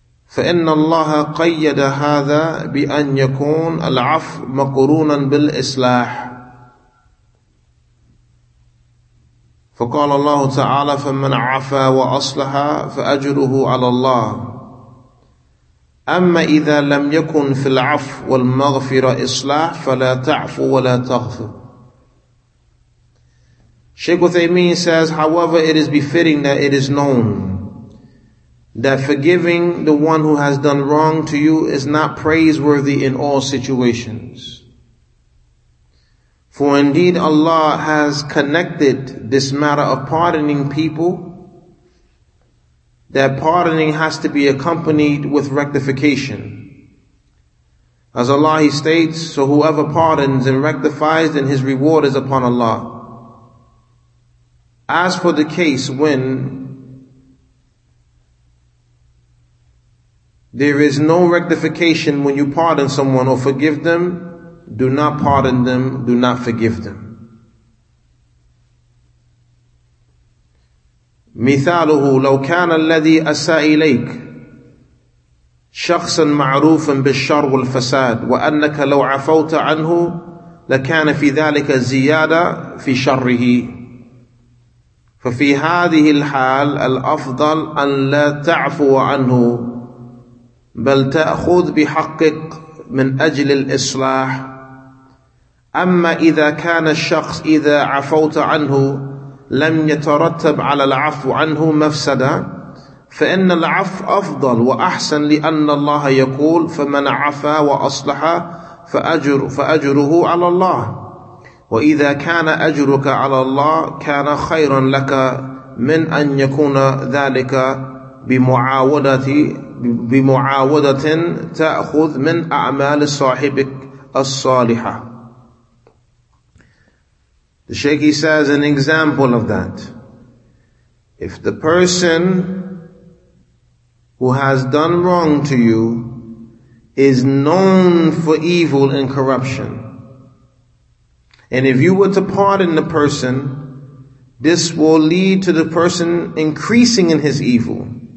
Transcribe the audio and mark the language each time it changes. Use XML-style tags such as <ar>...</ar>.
<ar>فإن الله قيد هذا بأن يكون العفو مقرونا بالإصلاح فقال الله تعالى فمن عفا وأصلح فأجره على الله أما إذا لم يكن في العفو والمغفرة إصلاح فلا تعفو ولا تغفر.</ar> <en>Sheikh Uthaymeen says, however, it is befitting that it is known that forgiving the one who has done wrong to you is not praiseworthy in all situations. For indeed Allah has connected this matter of pardoning people, that pardoning has to be accompanied with rectification. As Allah, He states, so whoever pardons and rectifies, then his reward is upon Allah. As for the case when there is no rectification when you pardon someone or forgive them, do not pardon them, do not forgive them.</en> <ar>مثاله لو كان الذي أساء إليك شخصا معروفا بالشر والفساد وأنك لو عفوت عنه لكان في ذلك زيادة في شره ففي هذه الحال الأفضل أن لا تعفو عنه بل تأخذ بحقك من أجل الإصلاح أما إذا كان الشخص إذا عفوت عنه لم يترتب على العفو عنه مفسدا فإن العفو أفضل وأحسن لأن الله يقول فمن عفا وأصلح فأجره على الله وإذا كان أجرك على الله كان خيرا لك من أن يكون ذلك بمعاودة بمعاودة تأخذ من أعمال صاحبك الصالحة.</ar> <en>The Shaykh, he says, an example of that. If the person who has done wrong to you is known for evil and corruption, And if you were to pardon the person, this will lead to the person increasing in his evil.</en>